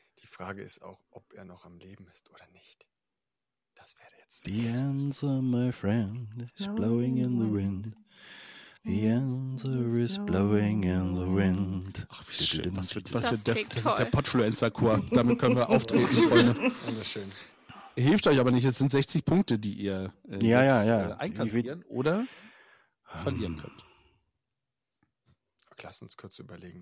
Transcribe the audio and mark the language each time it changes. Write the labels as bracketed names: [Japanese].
[German] Die Frage ist auch, ob er noch am Leben ist oder nicht. Das wäre jetzt. [English] The answer, my friend, is blowing in the wind. The answer is blowing in the wind. [German] Ach, wie schön. Das ist der Podfluencer-Chor. Damit können wir auftreten. Wunderschön. Hilft euch aber nicht. Es sind 60 Punkte, die ihr einkassieren oder verlieren könnt. Okay, lass uns kurz überlegen.